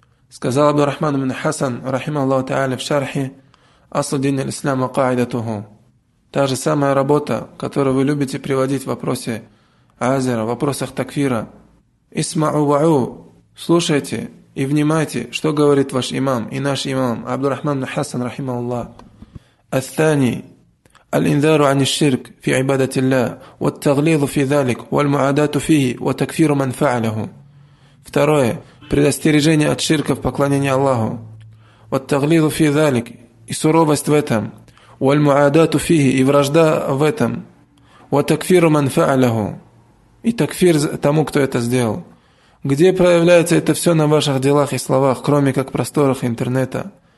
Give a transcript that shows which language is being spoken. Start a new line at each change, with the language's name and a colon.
Russian: Сказал Абдур-Рахман ибн Хасан, рахима Аллаху та'аля, в шархе «Ас-Суддин аль-Ислам ва-Каидатуху». Та же самая работа, которую вы любите приводить в вопросе азера, в вопросах такфира. «Исма'у ва'у» – слушайте и внимайте, что говорит ваш имам и наш имам Абдур-Рахман ибн Хасан, рахима Аллах. «Ас-Тани».
Arabic: الإنذار عن الشرك في عبادة الله والتغليظ في ذلك والمعاداة فيه وتكفير من فعله.
Russian: Второе, предостережение от ширка в поклонении Аллаху.
Arabic: والتغليظ في ذلك,
Russian: и суровость в этом.
Arabic: والمعاداة فيه,
Russian: и вражда в этом.
Arabic: وتكفير من فعله,
Russian: и تكفير тому, кто это сделал. Где проявляется это все на ваших делах и словах, кроме как просторах интернета?